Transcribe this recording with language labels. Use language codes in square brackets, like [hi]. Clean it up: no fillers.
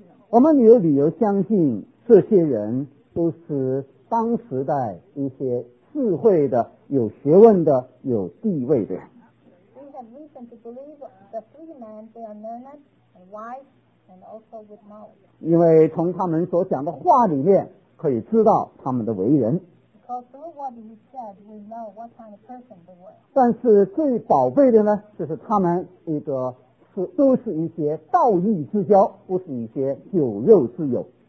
[zh] 我们有理由相信这些人都是当时代一些智慧的、有学问的、有地位的人。 [en] We have reason to believe the three men, they are learned and wise and also with knowledge. [zh] 因为从他们所讲的话里面可以知道他们的为人。 [en] Because through what he said, we know what kind of person they were. [zh] 但是最宝贝的呢，就是他们一个是都是一些道义之交，不是一些酒肉之友。